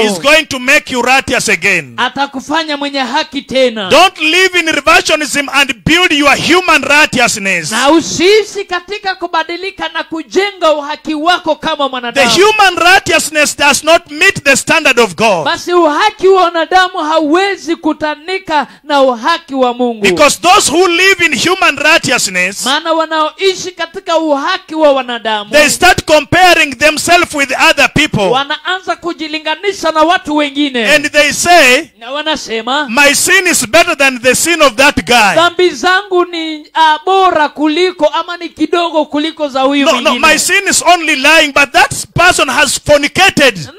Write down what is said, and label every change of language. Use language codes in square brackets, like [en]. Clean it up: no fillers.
[en] He is going to make you righteous again. [sw] Atakufanya mwenye haki tena. [en] Don't live in reversionism and build your human righteousness. [sw] Na usiishi katika kubadilika na kujenga uhaki wako kama mwanadamu. [en] The human righteousness does not meet the standard of God. [sw] Basi uhaki wa wanadamu hawezi kutanika na uhaki wa Mungu. [en] Because those who live in human righteousness, [sw] maana wanaoishi katika uhaki wa wanadamu, [en] they start comparing themselves with other people. [sw] Wanaanza kujilinganisha na watu wengine. [en] And they say, [sw] na wanasema, [en] my sin is better than the sin of that guy. [sw] Dhambi zangu ni bora kuliko ama ni kidogo kuliko za huyo mwingine. [en] No, no, my sin is only lying, but that person has fornicated.